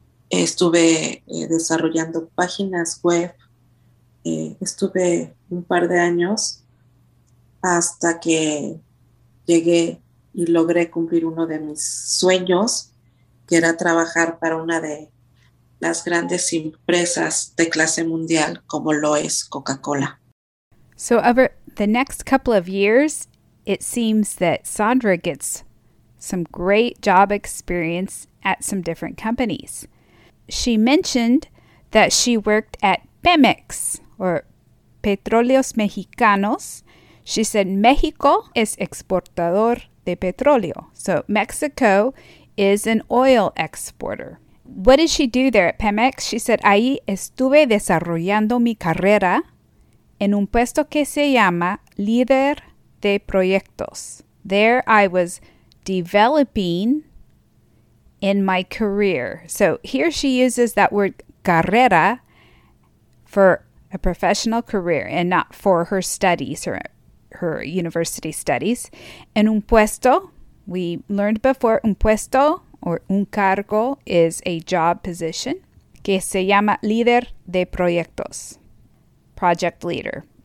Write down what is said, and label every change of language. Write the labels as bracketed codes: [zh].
[es] Estuve desarrollando páginas web, estuve un par de años hasta que llegué y logré cumplir uno de mis sueños, que era trabajar para una de las grandes empresas de clase mundial como lo es Coca-Cola. [en] So over the next couple of years, it seems that Sandra gets some great job experience at some different companies. She mentioned that she worked at Pemex or Petróleos Mexicanos. She said [es] México es exportador de petróleo. [en] So Mexico is an oil exporter. What did she do there at Pemex? She said, [es] ahí estuve desarrollando mi carrera en un puesto que se llama líder de proyectos. [en] There I was developing in my career. So here she uses that word carrera for a professional career and not for her studies or her university studies. [es] En un puesto, [en] we learned before, [es] un puesto or un cargo [en] is a job position, [es] que se llama líder de proyectos, [en] project leader.